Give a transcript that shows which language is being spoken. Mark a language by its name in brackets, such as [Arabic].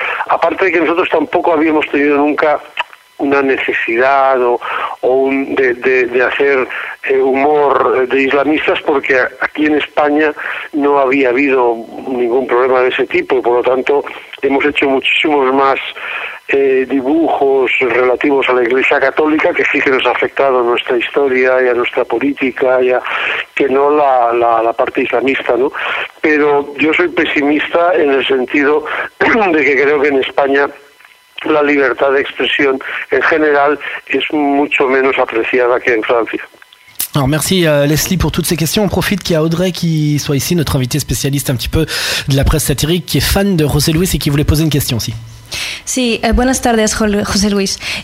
[Spanish] Aparte de que nosotros tampoco habíamos tenido nunca una necesidad o de hacer humor de islamistas, porque aquí en España no había habido ningún problema de ese tipo, y por lo tanto hemos hecho muchísimos más dibujos relativos a la Iglesia Católica, que sí que nos ha afectado a nuestra historia y a nuestra política, y a, que no la, la, la parte islamista, ¿no? Pero yo soy pesimista en el sentido de que creo que en España la libertad de expresión en general es mucho menos apreciada que en Francia. [French] Alors merci Leslie pour toutes ces questions. On profite qu'il y a Audrey qui soit ici, notre invitée spécialiste un petit peu de la presse satirique, qui est fan de José Luis et qui voulait poser une question aussi. [Spanish] Sí, buenas tardes José Luis.